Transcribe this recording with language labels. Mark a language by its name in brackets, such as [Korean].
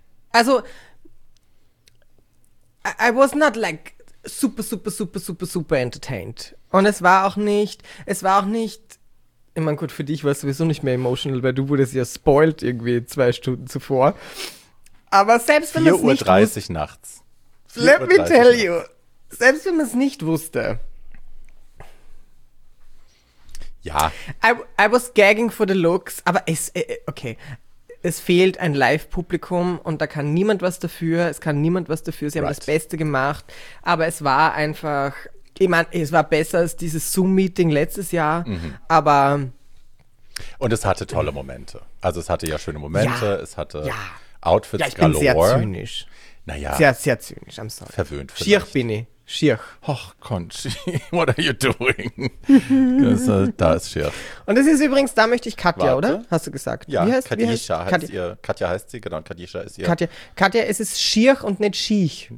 [English] Also, I was not like super, super, super, super, super entertained. [German] Und es war auch nicht, ich meine, gut, für dich war es sowieso nicht mehr emotional, weil du wurdest ja spoiled irgendwie 2 Stunden zuvor. Aber selbst wenn es nicht... 4:30 Uhr nachts. [English] Let me tell you, [German] selbst wenn man es nicht wusste. Ja. [English] I was gagging for the looks, [German] aber es, okay, es fehlt ein Live-Publikum und da kann niemand was dafür, sie haben das Beste gemacht, aber es war einfach, ich meine, es war besser als dieses Zoom-Meeting letztes Jahr, aber... Und es hatte tolle Momente, also es hatte ja schöne Momente, ja, es hatte ja Outfits galore. Ja, ich bin sehr zynisch. Naja. Sehr, sehr zynisch, [English] I'm sorry. [German] Verwöhnt vielleicht. Schirch bin ich, schirch. [English] Och, Conchi, what are you doing? [German] Das, da ist Schirch. Und das ist übrigens, da möchte ich Katja, warte, oder? Hast du gesagt? Ja, wie heißt, Katja, wie heißt Katja ihr. Katja heißt sie, genau, Katja ist ihr. Katja, es ist Schirch und nicht Schiech.